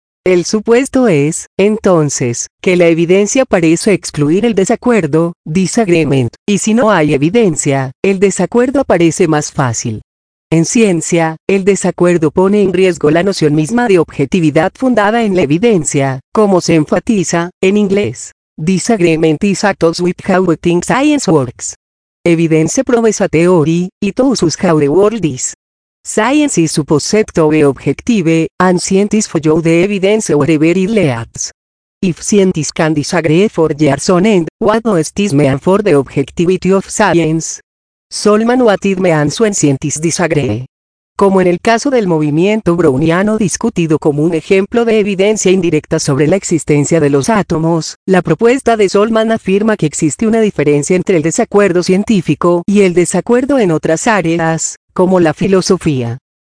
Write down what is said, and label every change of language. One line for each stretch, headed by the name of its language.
Spanish: El supuesto es, entonces, que la evidencia parece excluir el desacuerdo, disagreement, y si no hay evidencia, el desacuerdo aparece más fácil. En ciencia, el desacuerdo pone en riesgo la noción misma de objetividad fundada en la evidencia, como se enfatiza, en inglés.
English: Disagreement is at odds with how we think science works.
Spanish: Evidencia provee
English: a theory, it shows how the world is. Science is supposed to be objective, and scientists follow the evidence wherever it leads. If scientists can disagree for years on end, what does this mean for the objectivity of science? Solman, what it means when scientists disagree.
Spanish: Como en el caso del movimiento browniano discutido como un ejemplo de evidencia indirecta sobre la existencia de los átomos, la propuesta de Solman afirma que existe una diferencia entre el desacuerdo científico y el desacuerdo en otras áreas, como la filosofía.